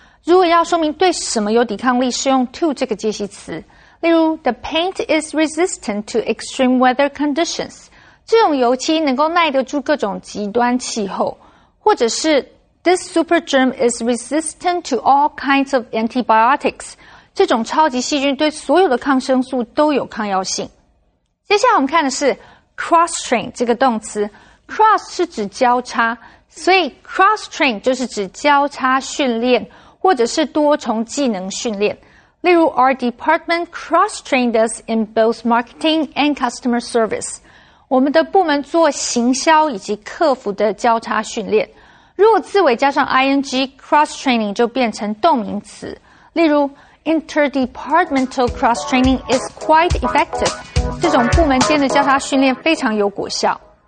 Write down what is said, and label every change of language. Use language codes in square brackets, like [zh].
[zh] 如果要说明对什么有抵抗力，是用 to 这个介系词。例如 [en] ,the paint is resistant to extreme weather conditions. [zh] 这种油漆能够耐得住各种极端气候。或者是 [en] ,this super germ is resistant to all kinds of antibiotics. [zh] 这种超级细菌对所有的抗生素都有抗药性。接下来我们看的是 cross-train 这个动词。Cross 是指交叉，所以 cross train 就是指交叉训练或者是多重技能训练。例如 [en] ,our department cross trained us in both marketing and customer service. [zh] 我们的部门做行销以及客服的交叉训练。如果字尾加上 ing, cross training 就变成动名词。例如 [en] ,interdepartmental cross training is quite effective. [zh] 这种部门间的交叉训练非常有果效。